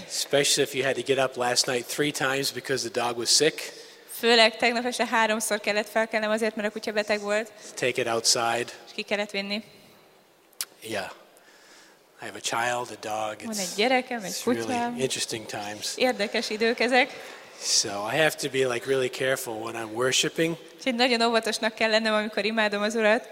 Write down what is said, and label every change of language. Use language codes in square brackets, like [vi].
[en] Especially if you had to get up last night 3 times because the dog was sick. [hu] Főleg tegnap este 3-szor kellett felkelnem azért, mert a kutya beteg volt. [en] Take it outside. [hu] És ki kellett vinni. [en] Yeah. I have a child, a dog. [hu] Van egy gyerekem, egy kutyám. [en] Really interesting times. [hu] Érdekes idők ezek. [en] So I have to be like really careful when I'm worshiping. [hu] Nagyon óvatosnak kell lennem, amikor imádom az Urat.